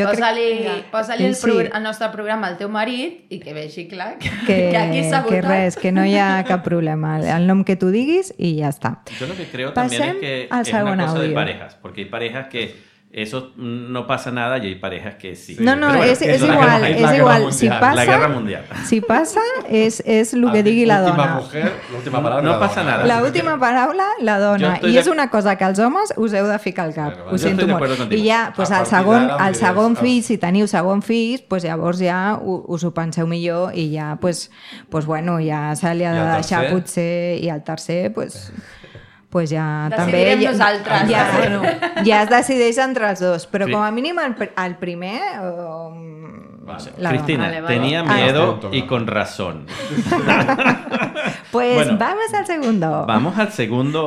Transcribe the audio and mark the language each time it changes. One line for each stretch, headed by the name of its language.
Catalan: Doncs res, posa-li el nostre programa al teu marit i que vegi clar que aquí s'ha votat. Que res, que no hi ha cap problema. El nom que tu diguis i ja està. Jo el que creo també és que és una cosa de parejas, perquè hi ha parejas
Spanish: que eso no pasa nada y hay parejas que sí. No, no, bueno, es igual, es igual. Si pasa, la guerra mundial. Si pasa, es lo que
Catalan: digui la dona.
Spanish: La última mujer, la última paraula. No pasa nada.
Catalan: La última paraula, la dona. I és una cosa que els homes us heu de ficar al cap. Ho sento molt. I ja, pues el segon fill, si teniu segon fill, pues llavors ja us ho penseu millor i ja, pues bueno, ja se li ha de deixar potser i el tercer, pues... pues ja, decidirem també, nosaltres ja, bueno, ja es decideix entre els dos però sí. Com a mínim el primer o... vale.
Spanish: Cristina, tenia miedo y con razón. Pues bueno, vamos al segundo